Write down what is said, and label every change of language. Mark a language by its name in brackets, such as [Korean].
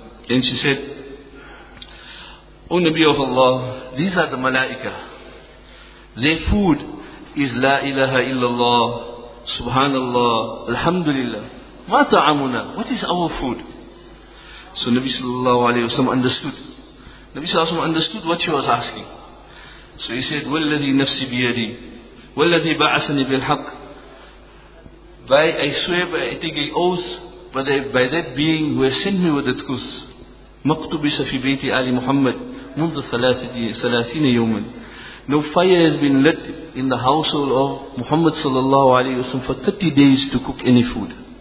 [English] And she said, O Nabi of Allah, these are the malaika. Their food is la ilaha illallah, subhanallah, alhamdulillah. [Arabic] Ma ta'amuna? [English] What is our food? So Nabi sallallahu alayhi wa sallam understood. Nabi sallallahu alayhi wa sallam understood what she was asking. So he said, [Arabic] وَالَّذِي نَفْسِ بِيَدِي وَالَّذِي بَعَسَنِي بِالْحَقِّ. [English] By I swear, by I take an oath, by that being who has sent me with the truth. [Arabic] مَقْتُبِسَ فِي بَيْتِ آلِ مُحَمَّدٍ مُنْذُ ثَلَاثِينَ يَوْمًا. [English] No fire has been lit in the household of Muhammad sallallahu alayhi wasallam for 30 days to cook any food.